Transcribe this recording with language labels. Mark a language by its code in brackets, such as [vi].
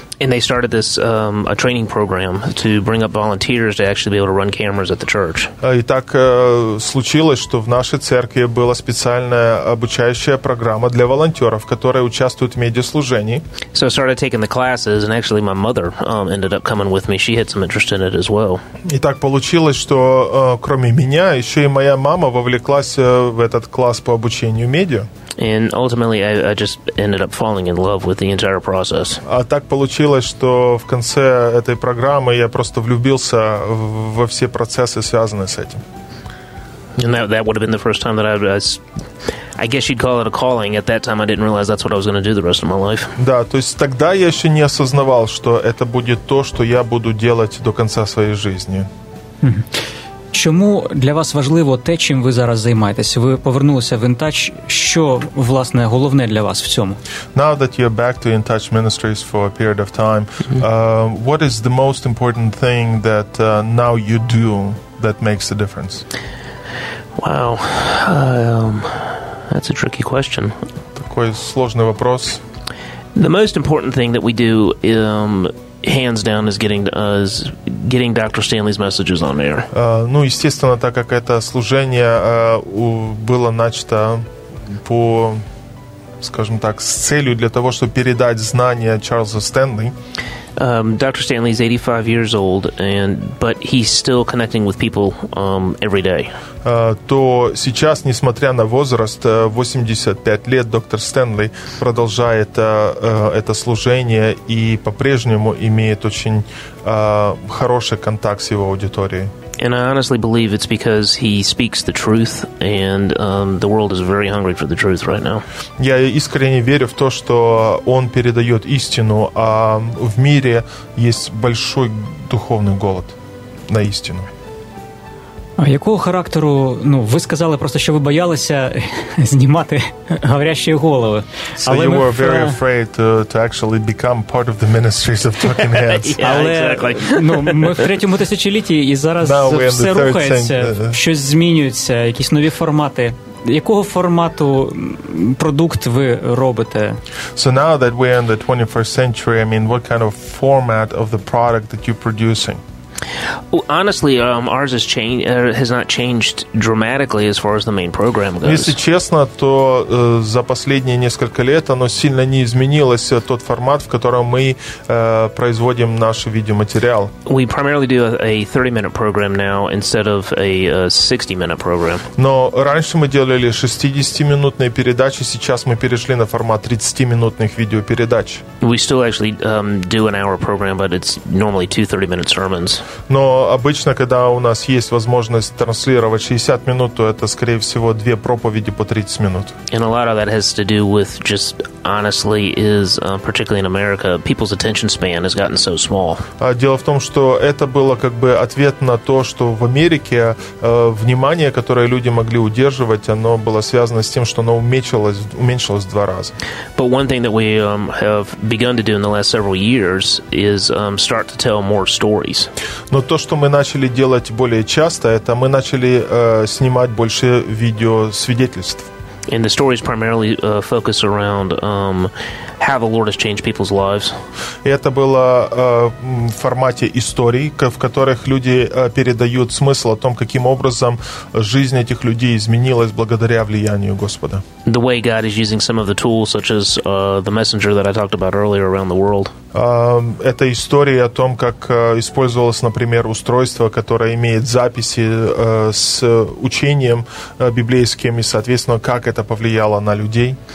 [en] And they started this a training program to bring up volunteers to actually be able to run cameras at the church. [ru] И так случилось, что в нашей церкви была специальная обучающая программа для волонтеров, которые участвуют медиаслужений. [en] So I started taking the classes, and actually my mother ended up coming with me. She had some interest in it as well. [ru] И так получилось, что кроме меня, еще и моя мама вовлеклась в этот класс по обучению медиа. [en] And ultimately, I just ended up falling in love with the entire process. [ru] А так получилось, что в конце этой программы я просто влюбился во все процессы, связанные с этим. [en] And that would have been the first time that I guess you'd call it a calling. At that time, I didn't realize that's what I was going to do the rest of my life. [ru] Да, то есть тогда я еще не осознавал, что это будет то, что я буду делать до конца своей жизни. [uk] Чому для вас важливо те, чим ви зараз займаєтесь? Ви повернулися в InTouch. Що, власне, головне для вас в цьому? [en] Now that you're back to InTouch Ministries for a period of time, what is the most important thing that now you do that makes a difference? Wow, that's a tricky question. [ru] Такой сложный вопрос. [en] The most important thing that we do, hands down, is getting Dr. Stanley's messages on air. [ru] Ну, естественно, так как это служение было начато по, скажем так, с целью для того, чтобы передать знания Чарльза Стэнли. [en] Dr. Stanley is 85 years old, but he's still connecting with people every day. [ru] То сейчас, несмотря на возраст, 85 лет, доктор Стэнли продолжает это служение и по-прежнему имеет очень хороший контакт с его аудиторией. [en] And I honestly believe it's because he speaks the truth, and the world is very hungry for the truth right now. [ru] Я искренне верю в то, что он передает истину, а в мире есть большой духовный голод на истину. [uk] А якого характеру, ну, ви сказали просто, що ви боялися знімати говорящі голови. [en] So you were very afraid to actually become part of the ministries of talking heads. Yeah, [uk] але, [en] exactly. [uk] Ну, ми в третьому тисячолітті, і зараз все рухається, щось змінюється, якісь нові формати. Якого формату продукт ви робите? [en] So now that we're in the 21st century, I mean, what kind of format of the product that you're producing? Honestly, ours has not changed dramatically as far as the main program goes. [ru] Если честно, то за последние несколько лет оно сильно не изменилось, тот формат, в котором мы производим наш видеоматериал. [en] We primarily do a 30-minute program now instead of a 60-minute program. [ru] Но раньше мы делали 60-минутные передачи, сейчас мы перешли на формат 30-минутных видеопередач. [en] We still actually do an hour program, but it's normally two 30-minute sermons. [ru] Но обычно, когда у нас есть возможность транслировать 60 минут, то это, скорее всего, две проповеди по 30 минут. [en] And a lot of that has to do with just honestly is, particularly in America, people's attention span has gotten so small. [ru] Дело в том, что это было как бы ответ на то, что в Америке внимание, которое люди могли удерживать, оно было связано с тем, что оно уменьшилось в два раза. [en] But one thing that we have begun to do in the last several years is start to tell more stories. [ru] Но то, что мы начали делать более часто, это мы начали снимать больше видеосвидетельств. [en] And the stories primarily focus around how the Lord has changed people's lives. [ru] Это было в формате историй, в которых люди передают смысл о том, каким образом жизнь этих людей изменилась благодаря влиянию Господа. [en] The way God is using some of the tools, such as the messenger that I talked about earlier around the world. [ru] Это история о том, как использовалось, например, устройство, которое имеет записи с учением библейским, и, соответственно, как это повлияло на людей.